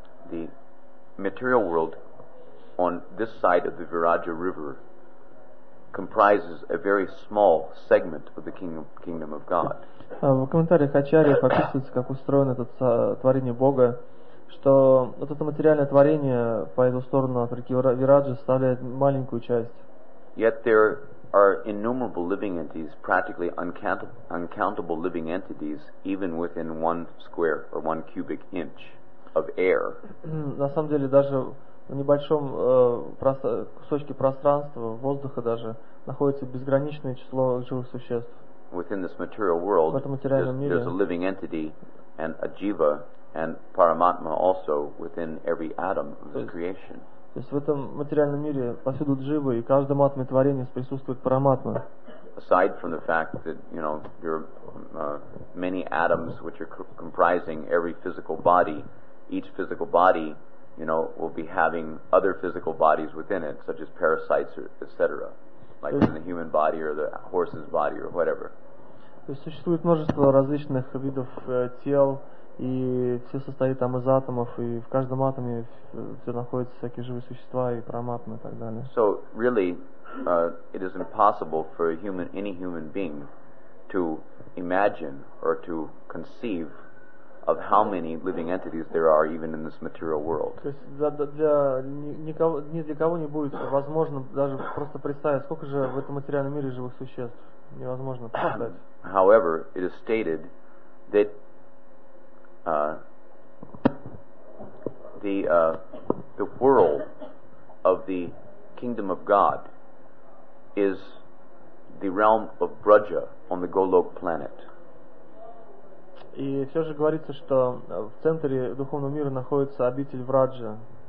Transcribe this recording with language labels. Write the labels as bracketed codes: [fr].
[en] The material world on this side of the Viraja River comprises a very small segment of the kingdom of God. [ru] В комментариях Ачарьи описывается, как устроено это творение Бога, что вот это материальное творение по эту сторону от реки Вираджа составляет маленькую часть. [en] Yet there are innumerable living entities, practically uncountable living entities, even within one square or one cubic inch. Of air. [ru] На самом деле, даже в небольшом кусочке пространства, воздуха даже, находится безграничное число живых существ. [en] Within this material world, [ru] в этом материальном мире, [en] there's a living entity and a jiva and paramatma also within every atom of the creation. [ru] То есть в этом материальном мире повсюду джива, и каждом атоме творения присутствует параматма. [en] Aside from the fact that, you know, there are many atoms which are comprising every physical body, each physical body, you know, will be having other physical bodies within it, such as parasites, etc., like in the human body or the horse's body or whatever. [ru] То есть существует множество различных видов тел, и все состоит там из атомов, и в каждом атоме все находятся всякие живые существа и параматмы и так далее. [en] So really, it is impossible for any human being to imagine or to conceive of how many living entities there are even in this material world. [ru] То есть для никого, ни для кого не будет возможно даже просто представить, сколько же в этом материальном мире живых существ. Невозможно представить. [en] However, it is stated that the world of the kingdom of God is the realm of Braja on the Golok planet. [ru] И все же говорится, что в центре духовного мира находится обитель Враджа.